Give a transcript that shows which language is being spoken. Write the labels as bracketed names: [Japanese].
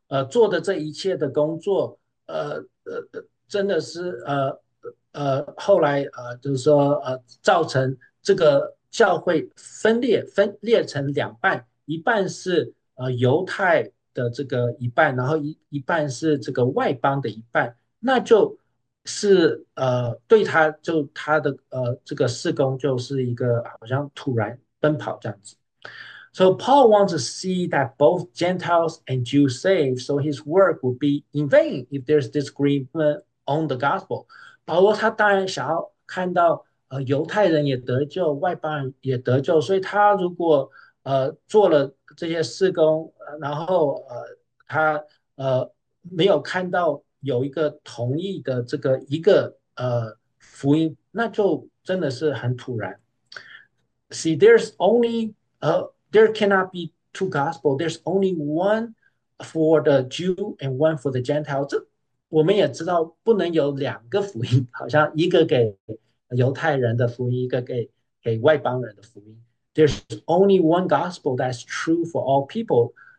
[Chinese] 做的这一切的工作，真的是后来就是说造成这个教会分裂成两半，一半是犹太的这个一半，然后一半是这个外邦的一半，那就是对他就他的这个事工就是一个好像突然奔跑这样子。 [English] So Paul wants to see that both Gentiles and Jews saved, so his work would be in vain if there's disagreement on the gospel. [Chinese] 保罗他当然想要看到犹太人也得救，外邦人也得救。所以他如果做了这些事工，然后他没有看到有一个同意的这个一个福音，那就真的是很突然。 [English] See, there cannot be two gospel. There's only one for the Jew and one for the Gentile. [Chinese] 这我们也知道，不能有两个福音，好像一个给犹太人的福音，一个给外邦人的福音。 [English] There's only one gospel that's true for all people。